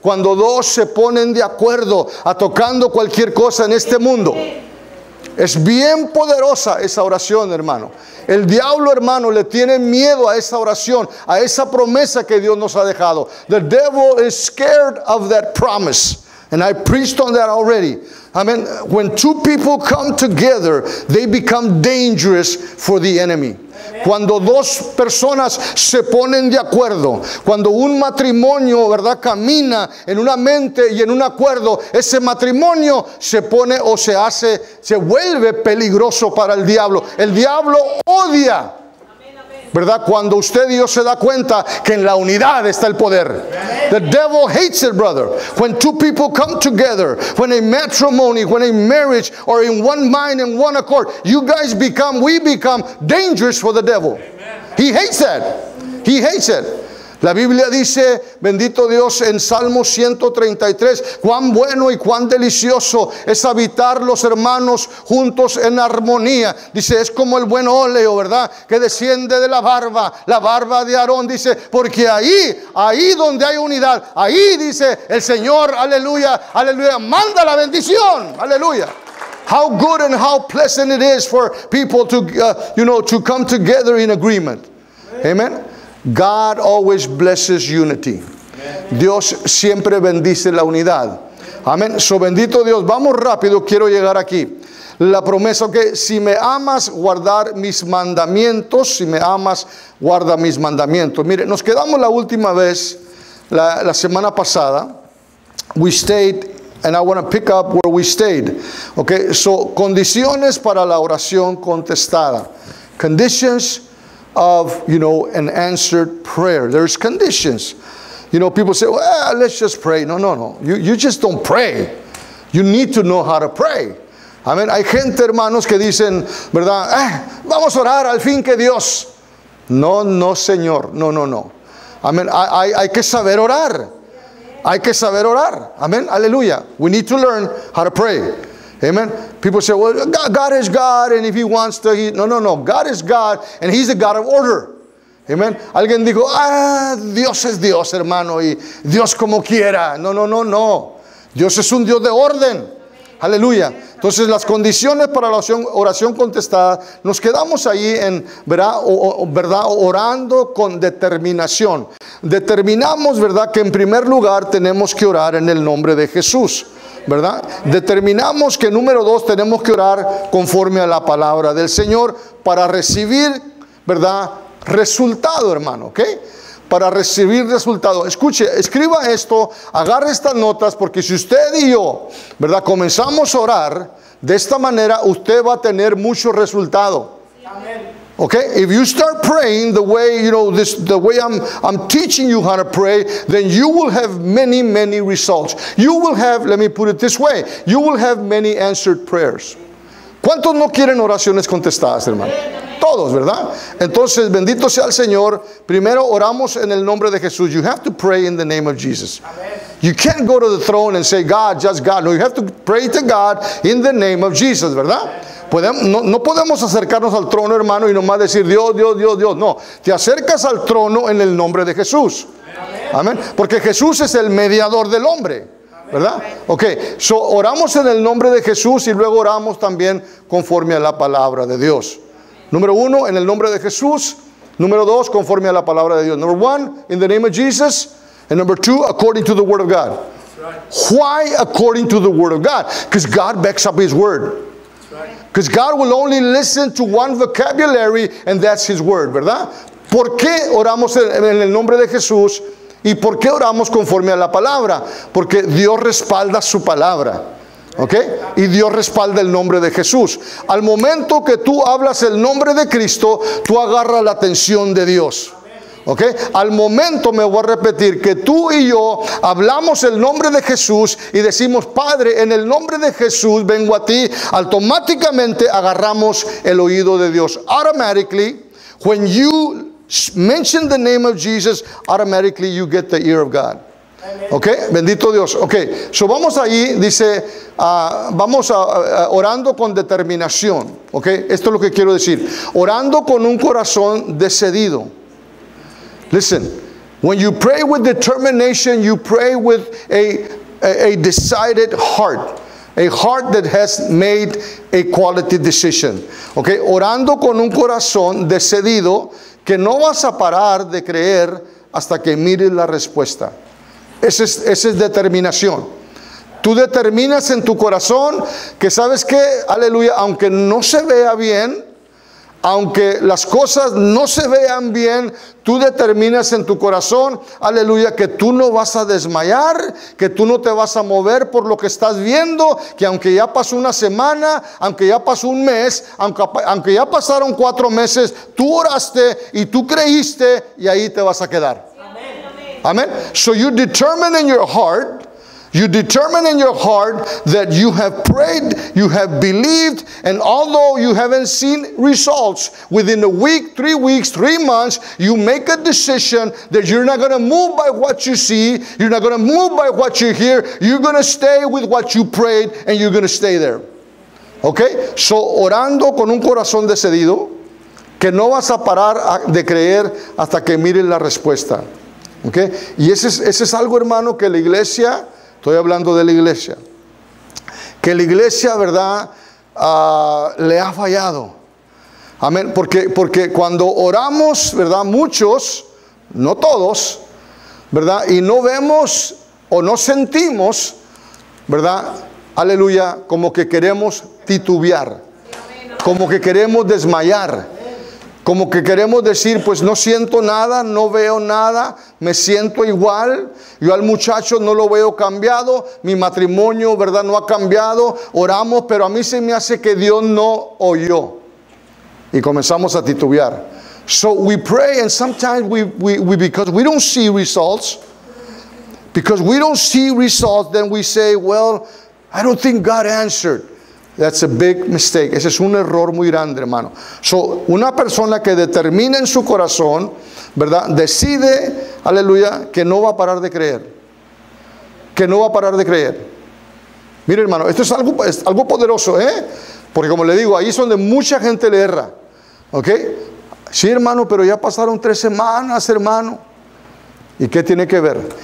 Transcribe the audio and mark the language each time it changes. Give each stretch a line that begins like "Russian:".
Spanish: Cuando dos se ponen de acuerdo a tocando cualquier cosa en este mundo. Es bien poderosa esa oración, hermano. El diablo, hermano, le tiene miedo a esa oración, a esa promesa que Dios nos ha dejado.
English: The devil is scared of that promise. And I preached on that already. I mean, when two people come together, they become dangerous for the enemy.
Spanish: Cuando dos personas se ponen de acuerdo, cuando un matrimonio, ¿verdad?, camina en una mente y en un acuerdo, ese matrimonio se pone o se hace, se vuelve peligroso para el diablo. El diablo odia, ¿verdad?, cuando usted y yo se da cuenta que en la unidad está el poder.
English: The devil hates it, brother. When two people come together, when a matrimony, when a marriage are in one mind and one accord, we become dangerous for the devil. He hates that. He hates it.
Spanish: La Biblia dice, bendito Dios, en Salmo 133, cuán bueno y cuán delicioso es habitar los hermanos juntos en armonía. Dice, es como el buen óleo, ¿verdad?, que desciende de la barba de Aarón. Dice, porque ahí donde hay unidad, ahí dice el Señor, aleluya, aleluya, manda la bendición, aleluya.
English: How good and how pleasant it is for people to, to come together in agreement. Amen. God always blesses unity.
Spanish: Dios siempre bendice la unidad. Amén. So bendito Dios. Vamos rápido. Quiero llegar aquí. La promesa que si me amas, guardar mis mandamientos. Si me amas, guarda mis mandamientos. Mire, nos quedamos la última vez, la semana pasada.
English: We stayed, and I want to pick up where we stayed.
Spanish: Okay. So condiciones para la oración contestada.
English: Conditions of, an answered prayer. There's conditions. People say, well, let's just pray. No. You just don't pray. You need to know how to pray. Amen.
Spanish: Hay gente, hermanos, que dicen, ¿verdad? Vamos a orar al fin que Dios. No, Señor. No. Amen. Hay que saber orar. Hay que saber orar. Amen. Aleluya.
English: We need to learn how to pray. Amen. People say, well, God is God, and if he wants to, no. God is God, and he's the God of order. Amen.
Spanish: Alguien dijo, Dios es Dios, hermano, y Dios como quiera. No. Dios es un Dios de orden. Aleluya. Entonces, las condiciones para la oración contestada, nos quedamos ahí en, ¿verdad?, orando con determinación. Determinamos, ¿verdad?, que en primer lugar tenemos que orar en el nombre de Jesús. ¿Verdad? Determinamos que número dos tenemos que orar conforme a la palabra del Señor para recibir, ¿verdad?, resultado, hermano, ¿ok? Para recibir resultado. Escuche, escriba esto, agarre estas notas, porque si usted y yo, ¿verdad?, comenzamos a orar de esta manera, usted va a tener mucho resultado.
English: Okay, if you start praying the way I'm teaching you how to pray, then you will have many, many results. You will have, let me put it this way, you will have many answered prayers.
Spanish: ¿Cuántos no quieren oraciones contestadas, hermano? Todos, ¿verdad? Entonces, bendito sea el Señor. Primero oramos en el nombre de Jesús. You have to pray in the name of Jesus. You can't go to the throne and say, God, just God. No, you have to pray to God in the name of Jesus, ¿verdad? No podemos acercarnos al trono, hermano, y nomás decir Dios. No, te acercas al trono en el nombre de Jesús. Amén. Porque Jesús es el mediador del hombre, ¿verdad? Ok, so oramos en el nombre de Jesús y luego oramos también conforme a la palabra de Dios. Número uno, en el nombre de Jesús. Número dos, conforme a la palabra de Dios.
English: Number one, in the name of Jesus. And number two, according to the word of God. Why according to the word of God? Because God backs up his word. Because God will only listen to one vocabulary, and that's his word, ¿verdad?
Spanish: ¿Por qué oramos en el nombre de Jesús? ¿Y por qué oramos conforme a la palabra? Porque Dios respalda su palabra, ¿ok? Y Dios respalda el nombre de Jesús. Al momento que tú hablas el nombre de Cristo, tú agarras la atención de Dios. Okay? Al momento me voy a repetir que tú y yo hablamos el nombre de Jesús y decimos, Padre, en el nombre de Jesús vengo a ti. Automáticamente agarramos el oído de Dios.
English: Automatically, when you mention the name of Jesus, automatically you get the ear of God.
Spanish: Okay, bendito Dios. Okay, so vamos ahí, dice, vamos a orando con determinación. Okay, esto es lo que quiero decir. Orando con un corazón decidido.
English: Listen, when you pray with determination, you pray with a decided heart. A heart that has made a quality decision.
Spanish: Okay, orando con un corazón decidido, que no vas a parar de creer hasta que mires la respuesta. Esa es determinación. Tú determinas en tu corazón que sabes que, aleluya, aunque no se vea bien, aunque las cosas no se vean bien, tú determinas en tu corazón, aleluya, que tú no vas a desmayar, que tú no te vas a mover por lo que estás viendo, que aunque ya pasó una semana, aunque ya pasó un mes, aunque ya pasaron 4 meses, tú oraste y tú creíste y ahí te vas a quedar.
English: Amen. So you determine in your heart, that you have prayed, you have believed, and although you haven't seen results within a week, 3 weeks, 3 months, you make a decision that you're not going to move by what you see, you're not going to move by what you hear, you're going to stay with what you prayed, and you're going to stay there. Okay?
Spanish: So orando con un corazón decidido, que no vas a parar de creer hasta que mires la respuesta. Okay. Y ese es algo, hermano, que la iglesia, estoy hablando de la iglesia, que la iglesia, verdad, le ha fallado. Amén. Porque cuando oramos, verdad, muchos, no todos, verdad, y no vemos o no sentimos, verdad, aleluya, como que queremos titubear, como que queremos desmayar. Como que queremos decir, pues no siento nada, no veo nada, me siento igual. Yo al muchacho no lo veo cambiado, mi matrimonio, verdad, no ha cambiado. Oramos, pero a mí se me hace que Dios no oyó. Y comenzamos a titubear.
English: So we pray and sometimes we because we don't see results. Because we don't see results, then we say, well, I don't think God answered. That's a big mistake.
Spanish: Ese es un error muy grande, hermano. So, una persona que determina en su corazón, ¿verdad? Decide, aleluya, que no va a parar de creer. Que no va a parar de creer. Mire, hermano, esto es algo poderoso, ¿eh? Porque como le digo, ahí es donde mucha gente le erra. ¿Ok? Sí, hermano, pero ya pasaron 3 semanas, hermano. ¿Y qué tiene que ver?